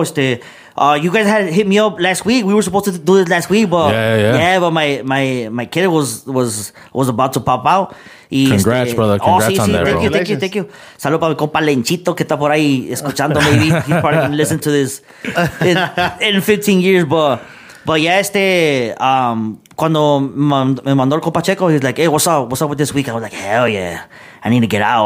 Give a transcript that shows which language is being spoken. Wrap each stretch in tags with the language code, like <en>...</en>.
<en>You guys had hit me up last week. We were supposed to do this last week, but yeah. But my kid was about to pop out. Congrats, brother. Congrats on that. Thank you.</en> <es>Salud para mi compa Lenchito que está por ahí escuchando.</es> <en>Maybe he probably didn't listen to this in 15 years, but yeah,</en> <es>cuando me mandó el compa Checo,</es> <en>he's like, hey, what's up with this week? I was like, hell yeah, I need to get out.</en>